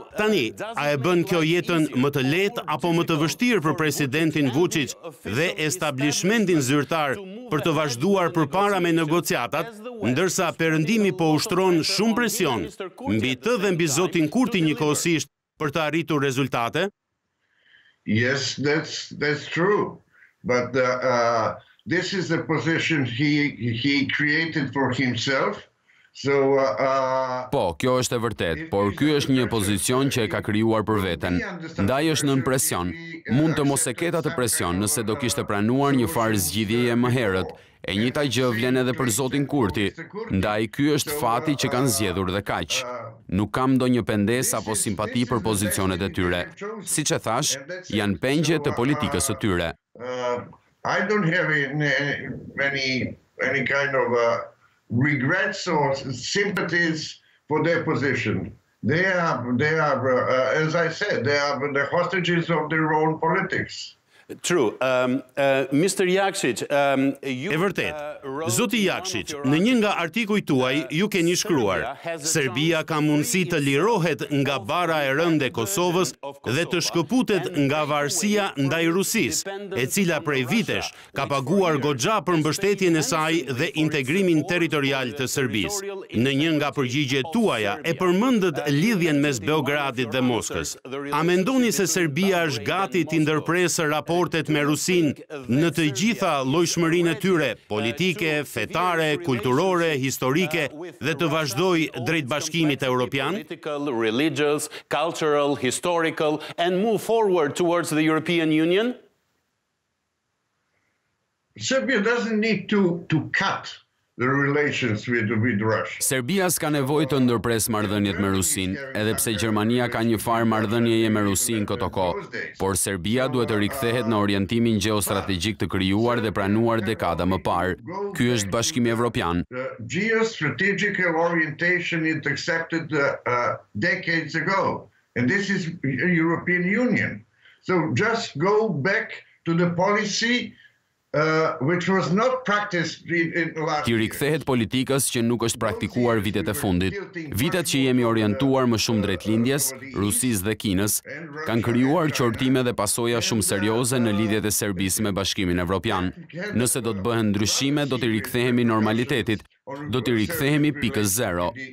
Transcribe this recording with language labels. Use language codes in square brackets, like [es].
[sq] Tani, a e bën kjo jetën më të lehtë apo më të vështirë për presidentin Vučić dhe establishmentin zyrtar për të vazhduar përpara me negociatat, ndërsa Perëndimi po ushtron shumë presion mbi të dhe mbi Zotin Kurti njëkohësisht për të arritur rezultate? [en] Yes, that's true. But this is the position he created for himself. So, [sq] po, kjo është e vërtet, por ky është një pozicion që e ka krijuar për veten. Ndaj është nën presion. Mund të mos e ketë atë presion nëse do kishte pranuar një farë zgjidhjeje më herët. E njëta gjë vlen edhe për Zotin Kurti. Ndaj ky është fati që kanë zgjedhur dhe kaq. Nuk kam ndonjë pendesë apo simpati për pozicionet e tyre. Siç e thash, janë pengje të politikës së tyre. [en] I don't have any kind of regrets or sympathies for their position. They are as I said, they are the hostages of their own politics. True. Mr. Jakšić, you [sq] e vërtet. Zoti Jakšić, në një nga artikujt tuaj ju keni shkruar: Serbia ka mundësi të lirohet nga bara e rënd e Kosovës dhe të shkëputet nga varësia ndaj Rusisë, e cila prej vitesh ka paguar goxha për mbështetjen e saj dhe integrimin territorial të Serbisë. Në një nga përgjigjet tuaja e përmendët lidhjen mes Beogradit dhe Moskës. A mendoni se Serbia është gati të ndërpresë raportet me Rusin në të gjitha llojshmërinë e tyre, politike, fetare, kulturore, historike dhe të vazhdoj drejt bashkimit evropian? [en] Religious, cultural, historical and move forward towards the European Union? Serbia doesn't need to cut the relations with Russia. [sq] Serbia s'ka nevojë të ndërpres marrëdhëniet me Rusinë, edhe pse Gjermania ka një farë marrëdhënieje me Rusinë këto kohë, por Serbia duhet të rikthehet në orientimin gjeostrategjik të krijuar dhe pranuar dekada më parë. Ky është Bashkimi Evropian. [en] Geostrategic orientation it accepted decades ago, and this is a European Union. So just go back to the policy which was not practiced in the last. [sq] Ti rikthehet politikës që nuk është praktikuar vitet e fundit. Vitet që jemi orientuar më shumë drejt lindjes, Rusisë dhe Kinës, kanë krijuar qortime dhe pasoja shumë serioze në lidhjet e Serbisë me Bashkimin Evropian. Nëse do të bëhen ndryshime, do të rikthehemi normalitetit. Do t'i rikthehemi pikës zero.